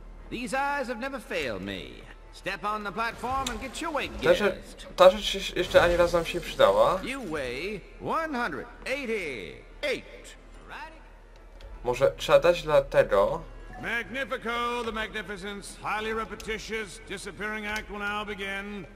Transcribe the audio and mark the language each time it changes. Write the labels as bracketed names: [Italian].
[English] These eyes have never failed me. Step on the platform and get your weight guessed. [Polish] Ta rzecz jeszcze ani razu nam się przydała. [English] You weigh 188. [Polish] Może trzeba dać dla tego. [English] Magnifico, the magnificence, highly repetitious, disappearing act will now begin.